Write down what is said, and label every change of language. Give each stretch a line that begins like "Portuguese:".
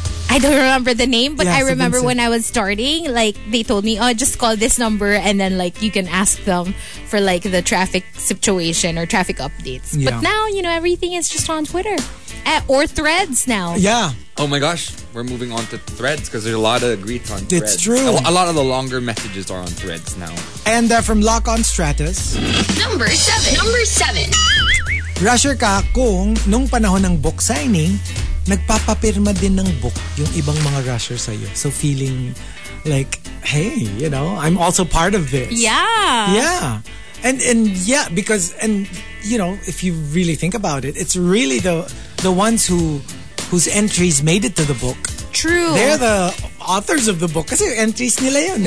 English: I don't remember the name, but I remember when I was starting, like, they told me, oh, just call this number, and then, like, you can ask them for, like, the traffic situation or traffic updates. Yeah. But now, you know, everything is just on Twitter. Or Threads now. Yeah. Oh, my gosh. We're moving on to Threads because there's a lot of greets on Threads. It's true. A lot of the longer messages are on Threads now. And they're from Lock on Stratus. Number seven.
Filipino: Rusher ka kung nung panahon ng book signing, nagpapapirma din ng book yung ibang mga rushers sa'yo.
English: So feeling like, hey, you know, I'm also part of this. Yeah. And yeah, because, and you know, if you really think about it, it's really the ones whose entries made it to the book. True. They're the authors of the book
Filipino: kasi entries nila yun.